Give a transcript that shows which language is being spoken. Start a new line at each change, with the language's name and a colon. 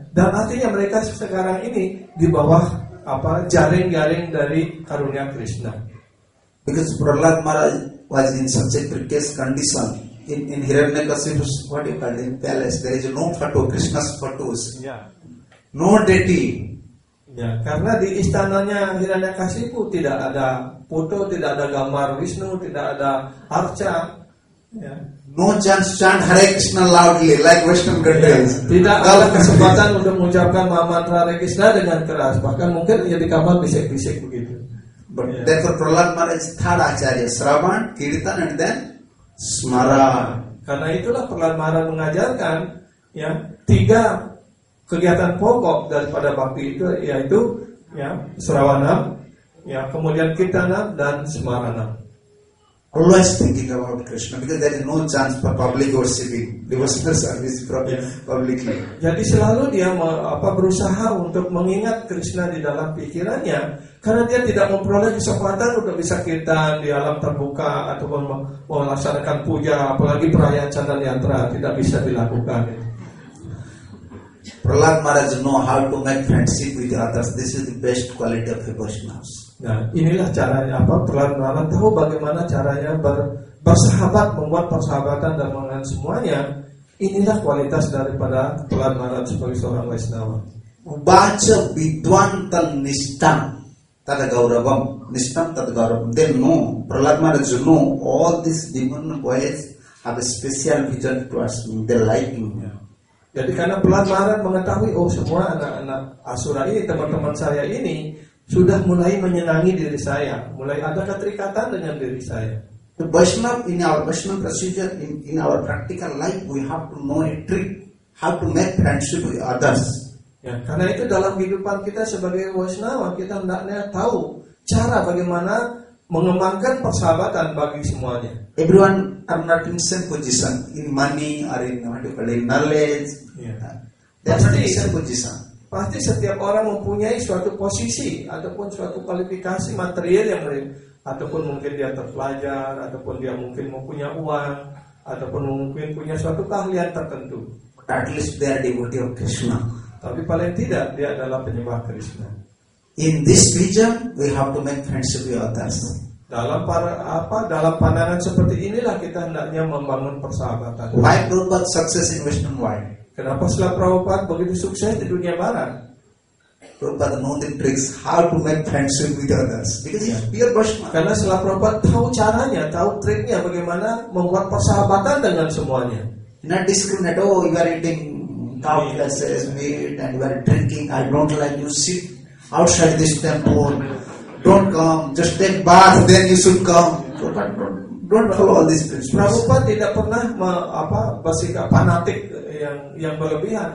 Indonesian: Dan artinya mereka sekarang ini di bawah jaring-jaring dari karunia Krishna.
English: Because Prahlad Maharaj was in such a precarious condition in Hiranyakasipu's palace, there is no photo, Krishna's photos. Yeah. No deity.
Indonesian: Ya, karena di istananya Hiranyakasipu tidak ada foto, tidak ada gambar Wisnu, tidak ada arca. Ya.
English: No chance chant Hare Krishna loudly like Western countries.
Indonesian: Ya, tidak ada kesempatan untuk mengucapkan mantra Hare Krishna dengan keras. Bahkan mungkin ya di kamar bisik-bisik begitu.
English: But ya. Therefore Prahlad Maharaj third acharya, Sravan, Kirtan, and then Smara.
Indonesian: Karena itulah Prahlad Maharaj mengajarkan ya tiga kegiatan pokok daripada bhakti itu, yaitu ya Sravanam, ya kemudian Kirtanam dan Smaranam.
English: Always thinking about Krishna, because there is no chance for public worshiping, devotional service publicly.
Indonesian: Jadi selalu dia berusaha untuk mengingat Krishna di dalam pikirannya, karena dia tidak memperoleh kesempatan untuk bisa kirtan di alam terbuka ataupun melaksanakan puja, apalagi perayaan Chandan Yantra tidak bisa dilakukan.
English: Prahlad Maharaj know how to make friendship with others. This is the best quality of devotionals.
Indonesian: Nah, inilah caranya Prahlad Maharaj tahu bagaimana caranya bersahabat, membuat persahabatan dan mengenal semuanya. Inilah kualitas daripada Prahlad Maharaj sebagai seorang Vaisnava.
Sanskrit: Baca vidwan tan nishtam tad gauravam, nishtam tad gauravam.
English: They know, Prahlad Maharaj know all these demon boys have a special vision towards me. They like me. Yeah.
Indonesian: Jadi karena Prahlad Maharaj mengetahui, oh semua anak-anak asura ini, teman-teman saya ini sudah mulai menyenangi diri saya, mulai ada keterikatan dengan diri saya.
English: The Vaishnava in our Vaishnava procedure in our practical life, we have to know a trick how to make friendship with others.
Indonesian: Ya, karena itu dalam kehidupan kita sebagai Vaishnava, kita hendaknya tahu cara bagaimana mengembangkan persahabatan bagi semuanya.
English: Everyone are not in same position in money or in knowledge. Yeah. That's the same position.
Indonesian: Pasti setiap orang mempunyai suatu posisi ataupun suatu kualifikasi material yang lain, ataupun mungkin dia terpelajar, ataupun dia mungkin mempunyai uang, ataupun mungkin punya suatu keahlian tertentu.
English: At least they are devotee of Krishna.
Indonesian: Tapi paling tidak dia adalah penyembah Krishna.
English: In this vision, we have to make friends with others.
Indonesian: Dalam pandangan seperti inilah kita hendaknya membangun persahabatan.
English: Why Prabhupada success in Western world?
Indonesian: Kenapa Srila Prabhupada begitu sukses di dunia barat?
English: Prabhupada know the tricks how to make friends with others. Because he's pure Vaishnava.
Indonesian: Karena Srila Prabhupada tahu caranya, tahu triknya bagaimana membuat persahabatan dengan semuanya.
English: Not discriminate, oh you are eating cow glasses, meat, and you are drinking, I don't like you, sit outside this temple. Don't come, just take bath, then you should come. Don't follow all these principles.
Indonesian: Prabhupada tidak pernah bersikap fanatik yang berlebihan.